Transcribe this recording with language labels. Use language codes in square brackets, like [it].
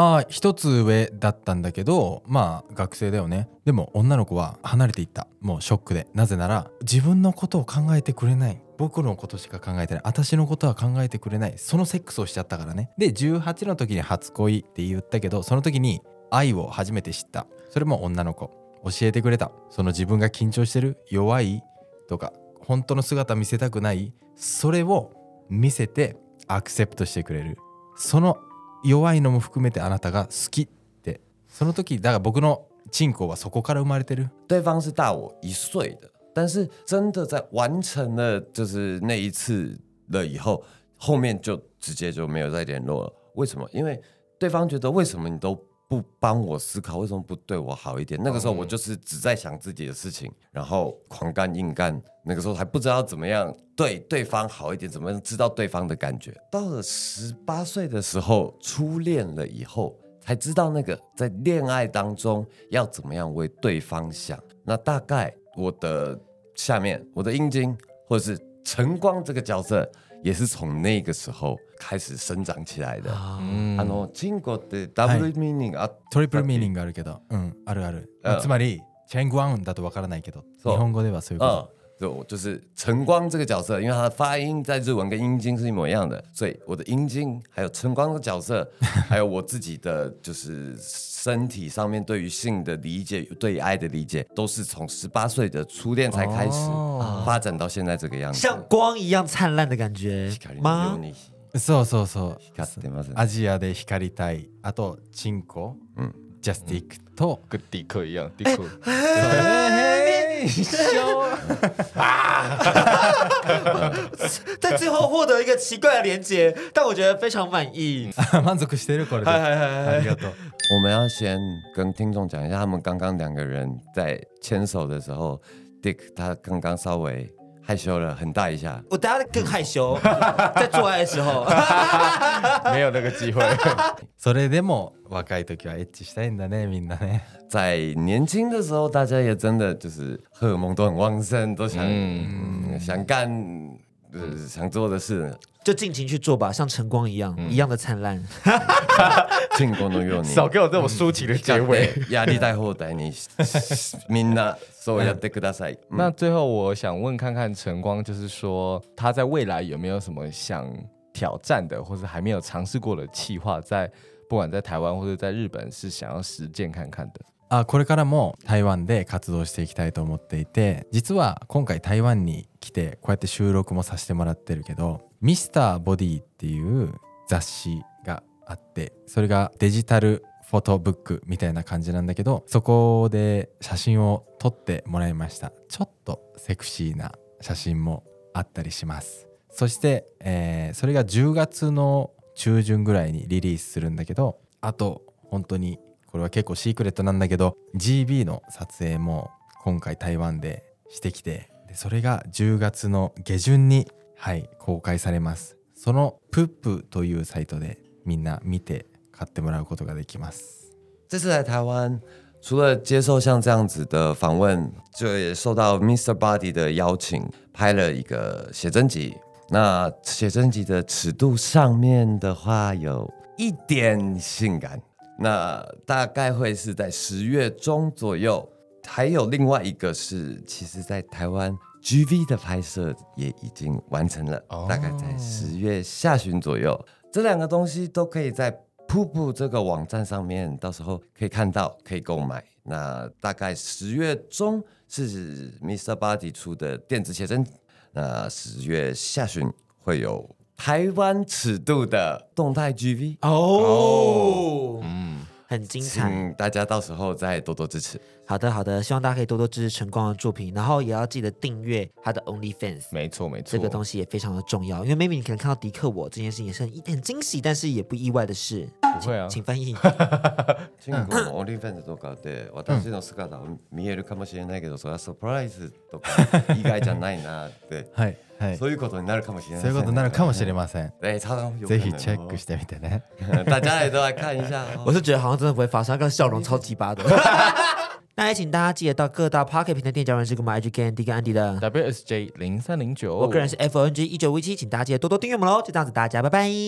[ja] 一つ上だったんだけどまあ学生だよねでも女の子は離れていったもうショックでなぜなら自分のことを考えてくれない僕のことしか考えてない私のことは考えてくれないそのセックスをしちゃったからねで18の時に初恋って言ったけどその時に愛を初めて知ったそれも女の子教えてくれたその自分が緊張してる弱いとか本当の姿見せたくないそれを見せてアクセプトしてくれるその弱いのも含めてあなたが好きってその時だから僕のチンコはそこから生まれてる [zh] 对方是大我一岁的但是真的在完成了就是那一次了以后后面就直接就没有再联络了为什么因为对方觉得为什么你都不帮我思考为什么不对我好一点那个时候我就是只在想自己的事情然后狂干硬干那个时候还不知道怎么样对对方好一点怎么样知道对方的感觉到了十八岁的时候初恋了以后才知道那个在恋爱当中要怎么样为对方想那大概我的下面我的阴茎或者是晨光这个角色也是从那个时候开始生长起来的。 [ja] あのチンコってダブルミーニングあ、トリプルミーニングがあるけど、うん、あるある。つまりチェンガンだとわからないけど、日本語ではそういうこと。 [zh] 嗯，就是晨光这个角色，因为它的发音在日文跟阴茎是一模一样的，所以我的阴茎还有晨光的角色，还有我自己的就是身体上面对于性的理解、对爱的理解，都是从十八岁的初恋才开始发展到现在这个样子，像光一样灿烂的感觉吗？ [ja] そうそうそう光ってます、ね、アジアで光りたいあとチンコ、うん、ジャスティックと、うん、グッディクイヤンディク [zh] へぇー在最後获得一个奇怪的连结但我觉得非常满意 [ja] 満足してるこれでありがとう [zh] 我们要先跟听众讲一下他们刚刚两个人在牵手的时候 Dick 他刚刚稍微害羞了很大一下我大家更害羞在做爱的时候没有那个机会 [ja] それでも若い時はエッチしたいんだねみんなね [zh] 在年轻的时候大家也真的就是荷尔蒙都很旺盛都想、嗯、想干、想做的事就尽情去做吧像晨光一样、嗯、一样的灿烂 [ja] 尽光のように [zh] 少给我这种抒情的结尾压力带后带你 [ja] みんなそうやってください、 [zh] 嗯、那最后我想问看看晨光就是说他在未来有没有什么想挑战的或是还没有尝试过的企划在不管在台湾或是在日本是想要实践看看的 [ja] あこれからも台湾で活動していきたいと思っていて実は今回台湾に来てこうやって収録もさせてもらってるけどミスターボディっていう雑誌があってそれがデジタルフォトブックみたいな感じなんだけどそこで写真を撮ってもらいましたちょっとセクシーな写真もあったりしますそして、それが10月の中旬ぐらいにリリースするんだけどあと本当にこれは結構シークレットなんだけど GB の撮影も今回台湾でしてきてでそれが10月の下旬にはい公開されますそのプップというサイトでみんな見て買ってもらうことができます [zh] 这次来台湾除了接受像这样子的访问就也受到 Mr. Body 的邀请拍了一个写真集那写真集的尺度上面的话有一点性感那大概会是在十月中左右还有另外一个是其实在台湾 GV 的拍摄也已经完成了、oh. 大概在十月下旬左右这两个东西都可以在瀑布这个网站上面到时候可以看到可以购买那大概十月中是 Mr. Body 出的电子写真那十月下旬会有台湾尺度的动态 GV 哦、oh, oh, 嗯，很精彩请大家到时候再多多支持好的好的希望大家可以多多支持晨光的作品然后也要记得订阅他的 OnlyFans 没错没错这个东西也非常的重要因为 maybe 你可能看到迪克我这件事也是 很惊喜但是也不意外的事不会啊请翻译 [ja] チンコの OnlyFans とかで私の姿は見えるかもしれないけどそれはサプライズとか意外じゃないなってはいそういうことになるかもしれませんそういうことになるかもしれませんぜひチェックしてみてね [zh] 大家也都来看一下我是觉得好像真的不会发生那个笑容超级巴的那也请大家记得到各大 Pocket 平台店家人士跟我们 IGKND 跟 Andy 的 WSJ0309 我个人是 FONG1957 请大家记得多多订阅我们咯就这样子大家拜拜